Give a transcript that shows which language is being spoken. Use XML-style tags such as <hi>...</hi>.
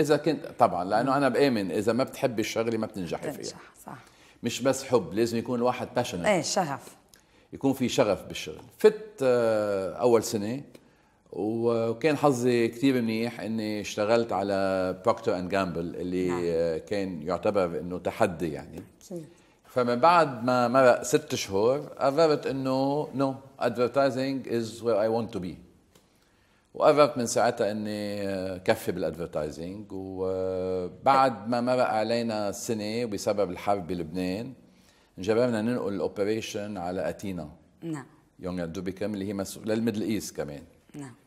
<ar>إذا كنت طبعا، لأنه أنا بآمن إذا ما بتحب الشغلة ما بتنجح فيها. صح. مش بس حب، لازم يكون الواحد passionate. إيه شغف، يكون في شغف بالشغل. فت أول سنة وكان حظي كتير منيح إني اشتغلت على Procter & Gamble اللي نعم. كان يعتبر إنه تحدي يعني. فمن بعد ما مرق 6 شهور قررت إنه</ar> <en>no advertising is where I want to be.</en> <ar>وقررت من ساعتها أني كفي بالأدفرتايزينج. وبعد ما مرق علينا سنة بسبب الحرب بلبنان جربنا ننقل الأوبريشن على أتينا. نعم. يونغ أند دوبيكم اللي هي مسؤولة للميدل إيست كمان. نعم.</ar>